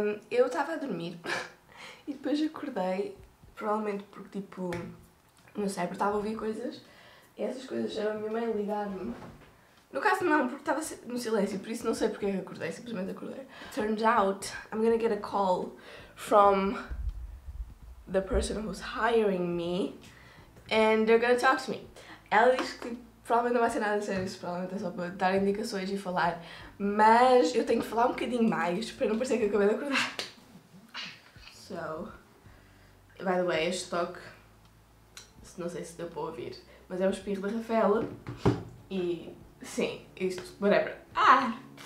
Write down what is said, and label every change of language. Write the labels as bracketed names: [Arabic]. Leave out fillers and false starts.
[Portuguese] Eu estava a dormir e depois acordei, provavelmente porque tipo, não sei, porque estava a ouvir coisas e essas coisas eram a minha mãe ligar-me. No caso, não, porque estava no silêncio, por isso não sei porque acordei, simplesmente acordei. [English] Turns out, I'm gonna get a call from the person who's hiring me and they're gonna talk to me. [Portuguese] Ela diz que provavelmente não vai ser nada sério, provavelmente é só para dar indicações e falar, mas eu tenho que falar um bocadinho mais para não parecer que acabei de acordar. [English] So, by the way, [Portuguese] este toque, não sei se deu para ouvir, mas é o espirro da Rafaela e sim, isto, whatever. Ah!